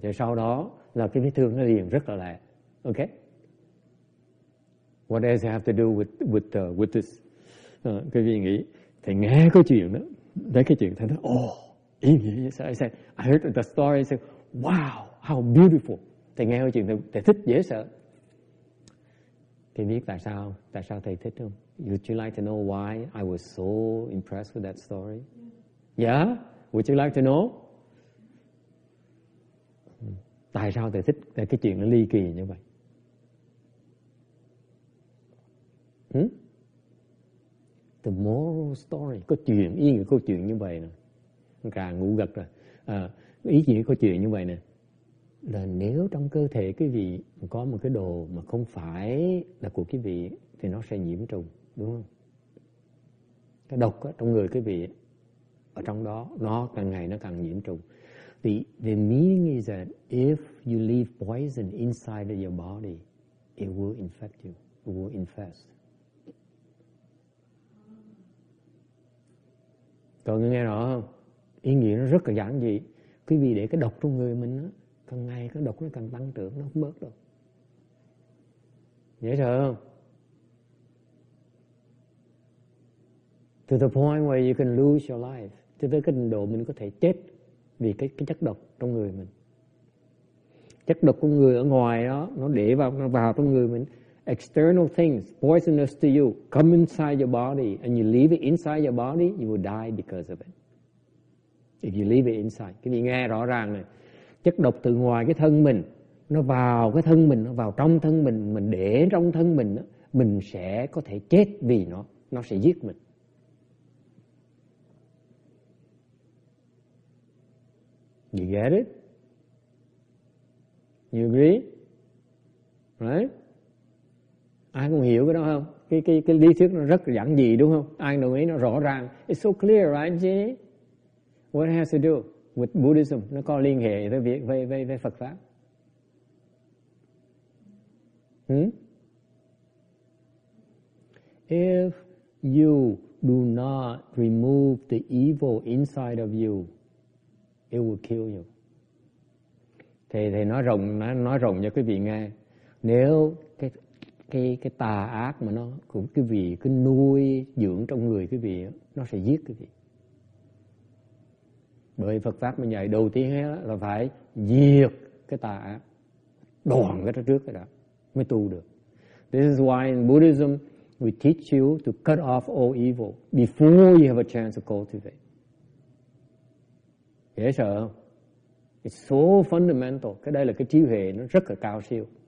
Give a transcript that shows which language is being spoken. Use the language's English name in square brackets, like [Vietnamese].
[Vietnamese] Rồi sau đó là cái vết thương nó liền rất là lẹ. [English] Okay, what does it have to do with this? [Vietnamese] Cái vị nghĩ thì nghe cái chuyện đó, đấy cái chuyện thì nó ý nghĩa. [English] So I said I heard the story. I said wow, how beautiful. [Vietnamese] Thì nghe cái chuyện thì thích dễ sợ. Thì biết tại sao thầy thích không? [English] Would you like to know why I was so impressed with that story? Yeah? Would you like to know? [Vietnamese] Tại sao thầy thích cái chuyện nó ly kỳ như vậy? [English] The moral story. [Vietnamese] Có chuyện, ý nghĩa câu chuyện như vậy nè. Càng ngủ gật rồi. Ý nghĩa câu chuyện như vậy nè. Là nếu trong cơ thể quý vị có một cái đồ mà không phải là của quý vị thì nó sẽ nhiễm trùng, đúng không? Cái độc đó, trong người quý vị ở trong đó, nó càng ngày nó càng nhiễm trùng. [English] The meaning is that if you leave poison inside your body, it will infect you, it will infest. [Vietnamese] Còn nghe rõ không? Ý nghĩa nó rất là giản dị. Quý vị để cái độc trong người mình á, càng ngày cái độc nó càng tăng trưởng, nó không bớt đâu. Dễ sợ không? [English] To the point where you can lose your life. To the [Vietnamese] trình độ mình có thể chết vì cái chất độc trong người mình. Chất độc của người ở ngoài đó, nó để vào, nó vào trong người mình. [English] External things, poisonous to you, come inside your body and you leave it inside your body, you will die because of it. If you leave it inside. [Vietnamese] Cái gì nghe rõ ràng này. Chất độc từ ngoài cái thân mình, nó vào cái thân mình, nó vào trong thân mình để trong thân mình, mình sẽ có thể chết vì nó sẽ giết mình. [English] You get it? You agree? Right? [Vietnamese] Ai cũng hiểu cái đó không? Cái lý thuyết nó rất giản dị đúng không? Ai đồng ý nó rõ ràng. [English] It's so clear, right, Jay? What has to do with Buddhism? [Vietnamese] Nó có liên hệ với việc với Phật pháp. [English] If you do not remove the evil inside of you, it will kill you. [Vietnamese] Thầy nói rộng cho quý vị nghe. Nếu cái tà ác mà nó cũng quý vị cứ nuôi dưỡng trong người quý vị, nó sẽ giết quý vị. Bởi Phật pháp mà dạy đầu tiên là phải diệt cái tà ác, đoạn cái đó trước cái đó mới tu được. [English] This is why in Buddhism we teach you to cut off all evil before you have a chance to cultivate. [Vietnamese] Dễ sợ không? [English] It's so fundamental. [Vietnamese] Cái đây là cái trí huệ nó rất là cao siêu.